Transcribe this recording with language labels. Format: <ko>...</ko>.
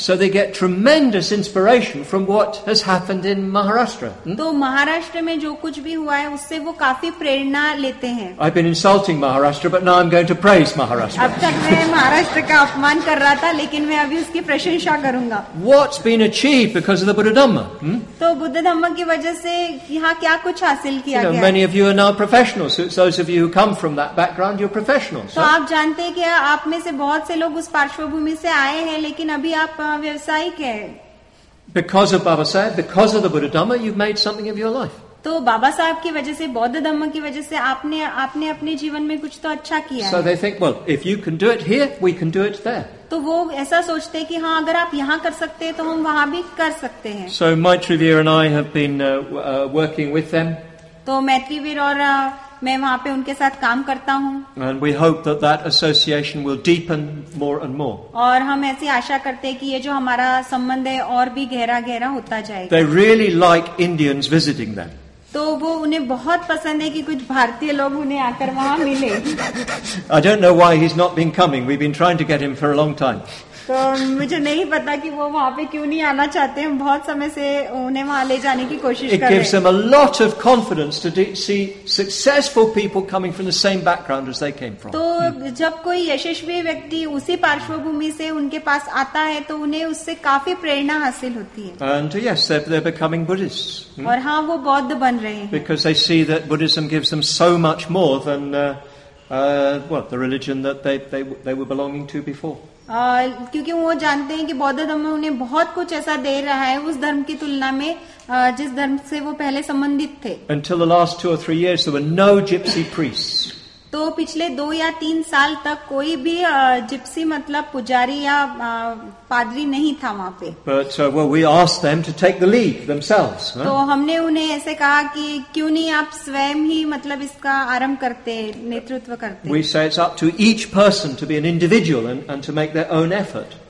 <en>So they get tremendous inspiration from what has happened in Maharashtra.</en> <hi>तो महाराष्ट्र में जो कुछ भी हुआ है उससे वो काफी प्रेरणा लेते हैं।</hi> <en>I've been insulting Maharashtra, but now I'm going to praise Maharashtra.</en> <hi>अब तक मैं महाराष्ट्र का अपमान कर रहा था लेकिन मैं अभी उसकी प्रशंसा करूंगा।</hi> <en>What's been achieved because of the Buddha Dhamma?</en> <hi>तो बुद्ध धम्म की वजह से यहाँ क्या कुछ हासिल किया गया?</hi> <en>Many of you are now professionals. Those of you who come from that background, you're professionals.</en> <hi>तो आप जानते हैं कि आप में से बहुत से लोग उस पार्श्वभूमि से आए हैं लेकिन अभी आप व्यवसायिक हैं।</hi> <en>Because of Baba Sahib, because of the Buddha Dhamma, you've made something of your life.</en> <hi>तो बाबा साहब की वजह से बौद्ध धम्म की वजह से आपने आपने अपने जीवन में कुछ तो अच्छा किया</hi> <en>So they think, well, if you can do it here, we can do it there.</en> <hi>तो वो ऐसा सोचते हैं कि हाँ अगर आप यहाँ कर सकते हैं तो हम वहाँ भी कर सकते हैं</hi> <en>So Maitrivir and I have been working with them.</en> <hi>तो मैत्रीवीर और मैं वहाँ पे उनके साथ काम करता हूँ</hi> <en>And we hope that that association will deepen more and more.</en> <hi>और हम ऐसी आशा करते हैं कि ये जो हमारा संबंध है और भी गहरा गहरा होता जाएगा</hi> <en>They really like Indians visiting them.</en> <hi>तो वो उन्हें बहुत पसंद है कि कुछ भारतीय लोग उन्हें आकर वहाँ मिले</hi> <en>I don't know why he's not been coming. We've been trying to get him for a long time.</en> <hi>तो मुझे नहीं पता कि वो वहाँ पे क्यों नहीं आना चाहते हम बहुत समय से उन्हें वहाँ ले जाने की कोशिश</hi> <en>It gives them a lot of confidence to see successful people coming from the same background as they came from.</en> <hi>तो जब कोई यशस्वी व्यक्ति उसी पार्श्वभूमि से उनके पास आता है तो उन्हें उससे काफी प्रेरणा हासिल होती है</hi> <en>And yes, they're becoming Buddhists.</en> <hi>और हाँ वो बौद्ध बन रहे हैं</hi> <en>Because they see that Buddhism gives them so much more than the religion that they were belonging to before.</en> <hi>क्योंकि वो जानते हैं कि बौद्ध धर्म उन्हें बहुत कुछ ऐसा दे रहा है उस धर्म की तुलना में जिस धर्म से वो पहले संबंधित थे</hi> <en>Until the last two or three years, there were no gypsy priests.</en> <hi>तो पिछले दो या तीन साल तक कोई भी जिप्सी मतलब पुजारी या पादरी नहीं था वहाँ पे</hi> <en>But, we asked them to take the lead themselves,</en> <hi>तो हमने उन्हें ऐसे कहा कि क्यों नहीं आप स्वयं ही मतलब इसका आरंभ करते नेतृत्व करते</hi> <en>We say it's up to each person to be an individual and to make their own effort.</en>